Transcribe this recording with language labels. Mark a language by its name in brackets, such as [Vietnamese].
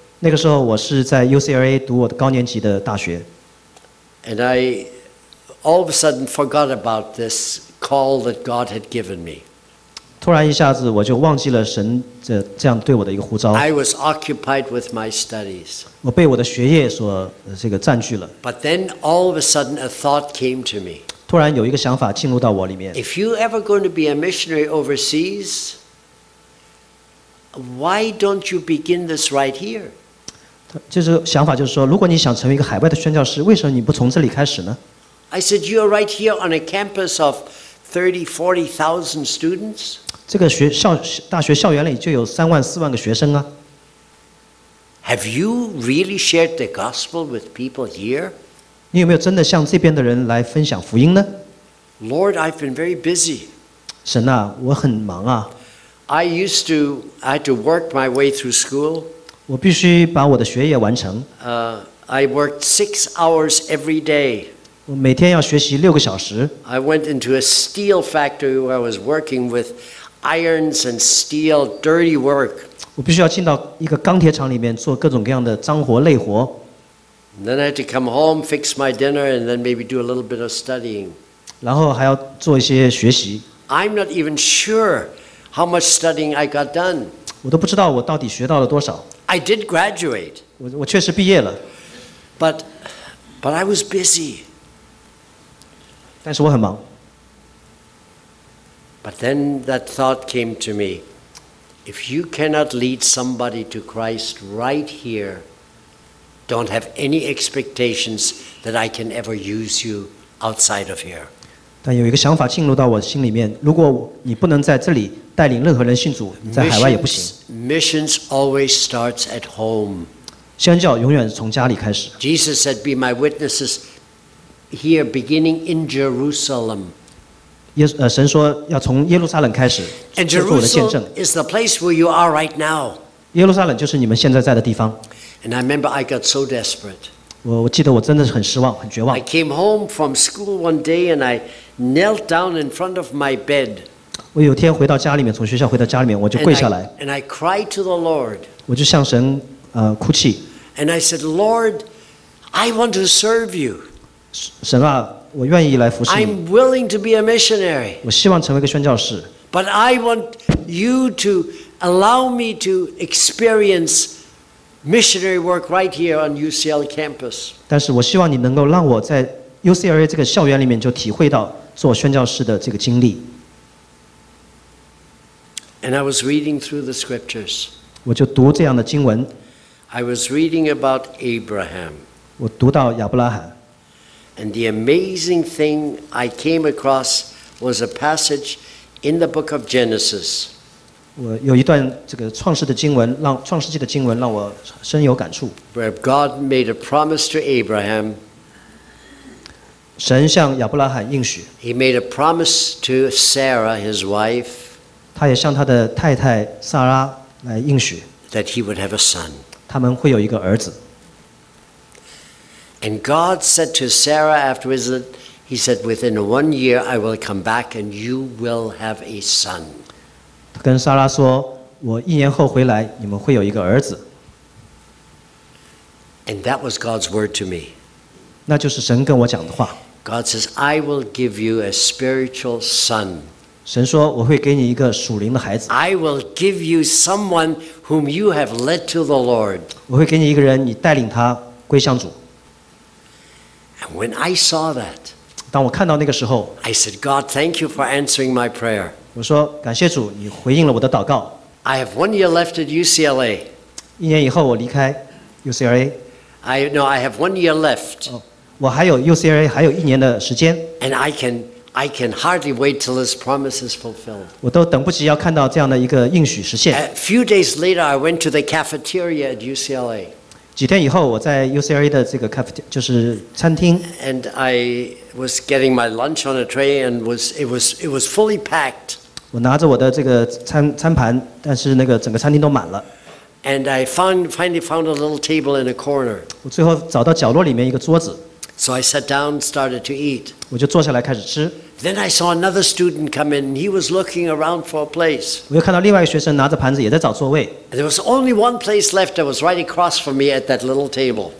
[Chinese] 那个时候我是在 UCLA 读我的高年级的大学。 [English] And I all of a sudden forgot about this call that God had given me. [Chinese] 突然一下子我就忘记了神这样对我的一个呼召。 [English] I was occupied with my studies. [Chinese] 我被我的学业所这个占据了。 [English] But then all of a sudden a thought came to me. [Chinese] 突然有一个想法进入到我里面。 [English] If you ever going to be a missionary overseas, why don't you begin this right here? [Chinese] 就是想法就是说，如果你想成为一个海外的宣教师，为什么你不从这里开始呢 [English] ？I said you are right here on a campus of 30,000-40,000 students. [Chinese] 这个大学校园里就有3万-4万个学生啊。 [English] Have you really shared the gospel with people here? [Chinese] 你有没有真的向这边的人来分享福音呢 [English] ？Lord, I've been very busy. [Chinese] 神啊，我很忙啊。 [English] I had to work my way through school. [Chinese] 我必须把我的学业完成。 [English] I worked 6 hours every day. [Chinese] 我每天要学习6个小时。 [English] I went into a steel factory where I was working with irons and steel, dirty work. [Chinese] 我必须要进到一个钢铁厂里面做各种各样的脏活累活。 [English] Then I had to come home, fix my dinner, and then maybe do a little bit of studying. [Chinese] 然后还要做一些学习。 [English] I'm not even sure how much studying I got done. [Chinese] 我都不知道我到底学到了多少。 [English] I did graduate. [Chinese] 我确实毕业了。 [English] But I was busy. [Chinese] 但是我很忙。 [English] But then that thought came to me. If you cannot lead somebody to Christ right here, don't have any expectations that I can ever use you outside of here. [Chinese] 但有一个想法进入到我心里面，如果你不能在这里带领任何人信主，在海外也不行。 [English] Missions always starts at home. [Chinese] 宣教永远从家里开始。 [English] Jesus said, "Be my witnesses here, beginning in Jerusalem." [Chinese] 神说要从耶路撒冷开始做我的见证。 [English] Is the place where you are right now. [Chinese] 耶路撒冷就是你们现在在的地方。 [English] And I remember I got so desperate. [Chinese] 我记得我真的是很失望，很绝望。 [English] I came home from school one day and I knelt down in front of my bed. [Chinese] 我有天回到家里面，从学校回到家里面，我就跪下来。 [English] And I cried to the Lord. [Chinese] 我就向神哭泣。 [English] And I said, Lord, I want to serve you. [Chinese] 神啊。我愿意来服侍你。 [English] I'm willing to be a missionary. [Chinese] 我希望成为一个宣教士。 [English] But I want you to allow me to experience missionary work right here on UCL campus. [Chinese] 但是我希望你能够让我在 UCLA 这个校园里面就体会到做宣教士的这个经历。 [English] And I was reading through the scriptures. [Chinese] 我就读这样的经文。 [English] I was reading about Abraham. [Chinese] 我读到亚伯拉罕。 [English] And the amazing thing I came across was a passage in the book of Genesis. [Chinese] 我有一段这个创世的经文，让创世纪的经文让我深有感触。 [English] Where God made a promise to Abraham. [Chinese] 神向亚伯拉罕应许。 [English] He made a promise to Sarah, his wife. [Chinese] 他也向他的太太撒拉来应许。 [English] That he would have a son. [Chinese] 他们会有一个儿子。 [English] And God said to Sarah afterwards, He said, "Within 1 year, I will come back, and you will have a son." [Chinese] 他跟撒拉说，我一年后回来，你们会有一个儿子。 [English] And that was God's word to me. [Chinese] 那就是神跟我讲的话。 [English] God says, "I will give you a spiritual son." [Chinese] 神说，我会给你一个属灵的孩子。 [English] I will give you someone whom you have led to the Lord. [Chinese] 我会给你一个人，你带领他归向主。 [English] When I saw that, [Chinese] 当我看到那个时候 [English] I said, God, thank you for answering my prayer. [Chinese] 我说感谢主，你回应了我的祷告。 [English] I have 1 year left at UCLA. [Chinese] 一年以后我离开 UCLA。 [English] I have 1 year left。 [Chinese] 我还有 UCLA 还有一年的时间。 [English] And I can hardly wait till this promise is fulfilled。 [Chinese] 我都等不及要看到这样的一个应许实现。 [English] A few days later, I went to the cafeteria at UCLA。 [Chinese] 几天以后，我在 UCLA 的这个 cafeteria 就是餐厅。 [English] And I was getting my lunch on a tray, and it was fully packed。 [Chinese] 我拿着我的这个餐盘，但是那个整个餐厅都满了。 [English] And I finally found a little table in a corner。 [Chinese] 我最后找到角落里面一个桌子。 [English] So I sat down, started to eat。 [Chinese] 我就坐下来开始吃。 [English] Then I saw another student come in. He was looking around for a place。 [Chinese] 我又看到另外一个学生拿着盘子也在找座位。 [English] And there was only one place left that was right across from me at that little table。